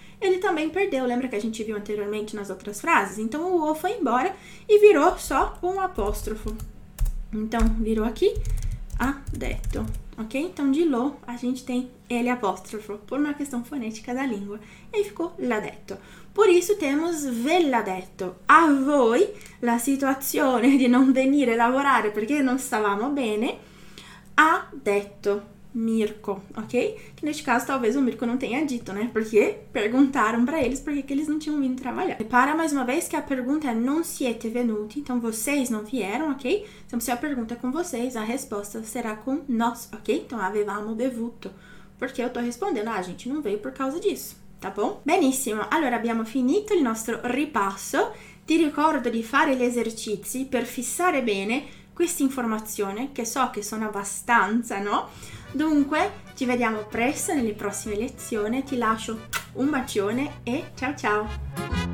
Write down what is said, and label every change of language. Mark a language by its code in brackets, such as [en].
[pt] Ele também perdeu, lembra que a gente viu anteriormente nas outras frases? Então o o foi embora e virou só um apóstrofo. Então virou aqui a detto, ok? Então de lo a gente tem ele apóstrofo por uma questão fonética da língua e ficou [it] l'ha detto. [pt] Por isso temos [it] ve l'ha detto. A voi la situazione di non venire a lavorare perché non stavamo bene ha detto Mirko, ok? [pt] Que neste caso talvez o Mirko não tenha dito, né? Porque perguntaram para eles por que eles não tinham vindo trabalhar. Repara mais uma vez que a pergunta é [it] non siete venuti, [pt] então vocês não vieram, ok? Então se a pergunta é com vocês, a resposta será com nós, ok? Então [it] avevamo bevuto. [pt] Porque eu tô respondendo, a gente não veio por causa disso, tá bom? [it] Benissimo, allora abbiamo finito il nostro ripasso. Ti ricordo di fare gli esercizi per fissare bene questa informazione, che so che sono abbastanza, no? Dunque, ci vediamo presto nelle prossime lezioni, ti lascio un bacione e ciao ciao!